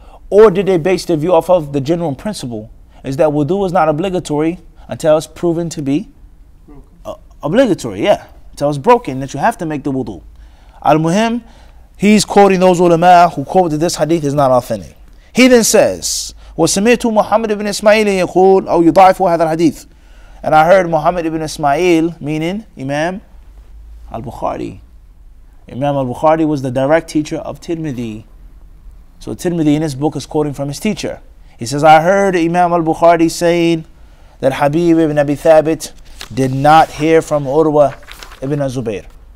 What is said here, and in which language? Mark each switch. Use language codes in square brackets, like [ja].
[en] Or did they base their view off of the general principle? Is that wudu is not obligatory until it's proven to be obligatory, yeah. Until it's broken, that you have to make the wudu. Al-Muhim, he's quoting those ulama who quote that this hadith is not authentic. He then says, [ar] وَسَمِيْتُ مُحَمَّدْ ibn إِسْمَعِيلِ يَقُولُ أَوْ يُضَعِفُ هَذَا الْحَدِيثِ. [en] And I heard Muhammad ibn Ismail, meaning Imam al-Bukhari. Imam al-Bukhari was the direct teacher of Tirmidhi. So Tirmidhi in his book is quoting from his teacher. He says, I heard Imam al-Bukhari saying that Habib ibn Abi Thabit did not hear from Urwa ibn Zubair.